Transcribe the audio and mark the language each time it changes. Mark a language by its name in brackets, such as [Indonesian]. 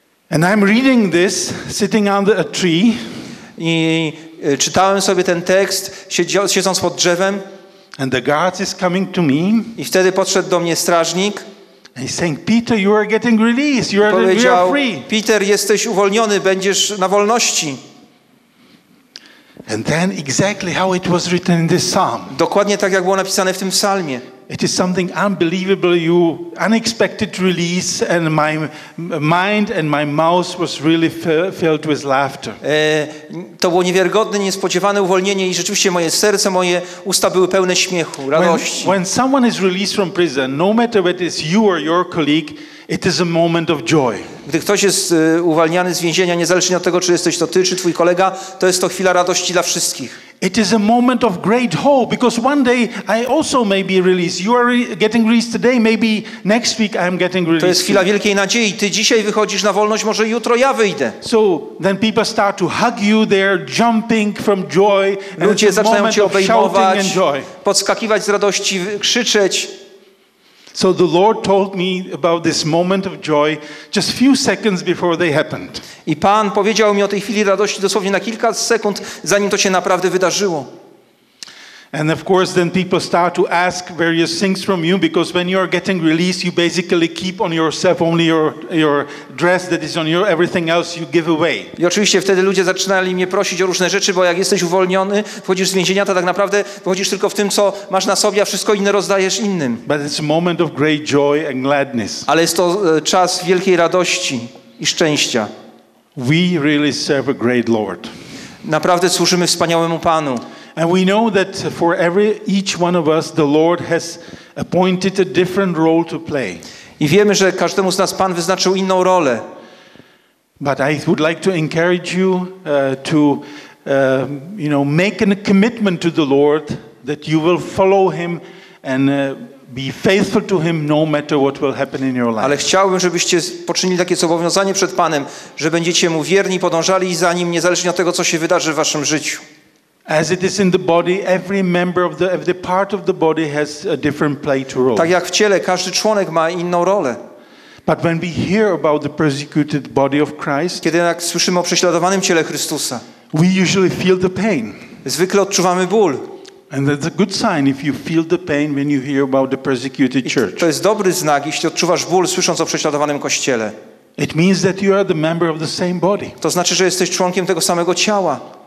[English] And I'm reading this sitting under a tree. [Polish] I czytałem sobie ten tekst, siedząc pod drzewem. [English] And the guard is coming to me. [Polish] I wtedy podszedł do mnie strażnik. [English] And he's saying, Peter, you are getting released. You are free. [Polish] Powiedział, Peter, jesteś uwolniony, będziesz na wolności. [English] And then exactly how it was written in this psalm. [Polish] Dokładnie tak, jak było napisane w tym psalmie. [English] It is something unbelievable, you unexpected release, and my mind and my mouth was really filled with laughter. [Polish] To było niewiarygodne, niespodziewane uwolnienie i rzeczywiście moje serce, moje usta były pełne śmiechu, radości. [English] When someone is released from prison, no matter whether it is you or your colleague, it is a moment of joy. [Polish] Gdy ktoś jest uwalniany z więzienia, niezależnie od tego, czy jesteś to ty, czy twój kolega, to jest to chwila radości dla wszystkich. [English] It is a moment of great hope, because one day I also may be released. You are getting released today, maybe next week I am getting released. [Polish] To jest chwila wielkiej nadziei. Ty dzisiaj wychodzisz na wolność, może jutro ja wyjdę. [English] So then people start to hug you, they're jumping from joy. [Polish] Ludzie zaczynają cię obejmować, podskakiwać z radości, krzyczeć. [English] So the Lord told me about this moment of joy just few seconds before they happened. [Polish] I Pan powiedział mi o tej chwili radości dosłownie na kilka sekund, zanim to się naprawdę wydarzyło. [English] And of course then people start to ask various things from you, because when you are getting released, you basically keep on yourself only your dress that is on you, everything else you give away. [Polish] I oczywiście wtedy ludzie zaczynali mnie prosić o różne rzeczy, bo jak jesteś uwolniony, wchodzisz z więzienia, to tak naprawdę wchodzisz tylko w tym, co masz na sobie, a wszystko inne rozdajesz innym. [English] But it's a moment of great joy and gladness. [Polish] Ale jest to czas wielkiej radości i szczęścia. [English] We really serve a great Lord. [Polish] Naprawdę służymy wspaniałemu Panu. [English] And we know that for each one of us, the Lord has appointed a different role to play. [Polish] I wiemy, że każdemu z nas Pan wyznaczył inną rolę. [English] But I would like to encourage you to make a commitment to the Lord that you will follow Him and be faithful to Him no matter what will happen in your life. [Polish] Ale chciałbym, żebyście poczynili takie zobowiązanie przed Panem, że będziecie Mu wierni, podążali za Nim, niezależnie od tego, co się wydarzy w waszym życiu. [English] As it is in the body, every member of the part of the body has a different play to role. [Polish] Tak jak w ciele, każdy członek ma inną rolę. [English] But when we hear about the persecuted body of Christ, [Polish] kiedy jak słyszymy o prześladowanym ciele Chrystusa, [English] we usually feel the pain. [Polish] Zwykle odczuwamy ból. [English] And that's a good sign if you feel the pain when you hear about the persecuted church. [Polish] To jest dobry znak, jeśli odczuwasz ból, słysząc o prześladowanym kościele. [English] It means that you are the member of the same body. [Polish] To znaczy, że jesteś członkiem tego samego ciała.